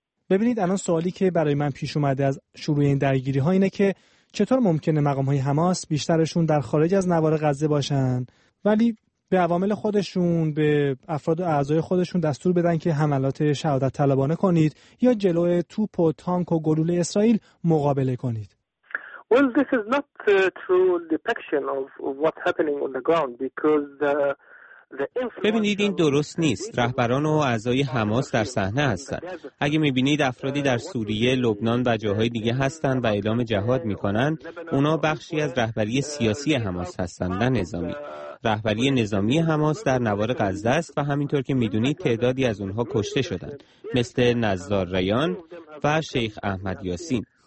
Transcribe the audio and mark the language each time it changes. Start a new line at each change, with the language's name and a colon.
Persian: ببینید، الان سوالی که برای من پیش اومده از شروع این درگیری ها اینه که چطور ممکنه مقام های حماس بیشترشون در خارج از نوار غزه باشن ولی به عوامل خودشون، به افراد و اعضای خودشون دستور بدن که حملات شهادت طلبانه کنید یا جلوی توپ و تانک و گلوله اسرائیل مقابله کنید؟
English: Well, this is not a true depiction of what's happening on the ground because
Persian: ببینید، این درست نیست. رهبران و اعضای حماس در صحنه هستند. اگه میبینید افرادی در سوریه، لبنان و جاهای دیگه هستند و اعلام جهاد میکنن، اونا بخشی از رهبری سیاسی حماس هستند، نه نظامی. رهبری نظامی حماس در نوار غزه است و همینطور که میدونید تعدادی از اونها کشته شدند، مثل نزار ریان و شیخ احمد یاسین.